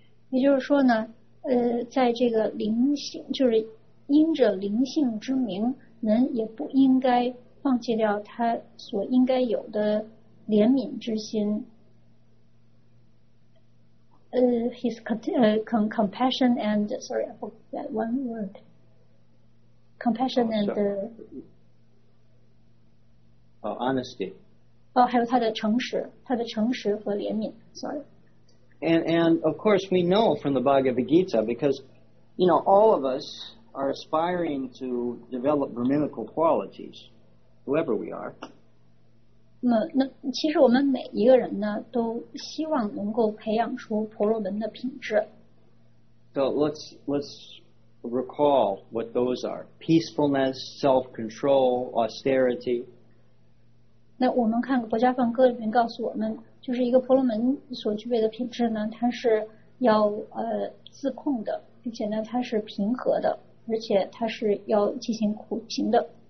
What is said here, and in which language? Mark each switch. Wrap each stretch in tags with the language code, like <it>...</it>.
<zh>也就是说呢，在这个灵性，就是因着灵性之名，人也不应该放弃掉他所应该有的怜悯之心。</zh> <en>Compassion and sorry, I forgot that one word. Honesty.</en> <zh>还有他的诚实，他的诚实和怜悯。 Sorry.</zh> <en>And of course, we know from the Bhagavad Gita because, you know, all of us are aspiring to develop brahminical qualities, whoever we are.</en> <zh>那其实我们每一个人呢，都希望能够培养出婆罗门的品质。</zh> <en>So let's recall what those are: peacefulness, self-control, austerity.</en> <zh>那我们看《国家梵歌》里面告诉我们，就是一个婆罗门所具备的品质呢，它是要自控的，并且呢，它是平和的，而且它是要进行苦行的。</zh>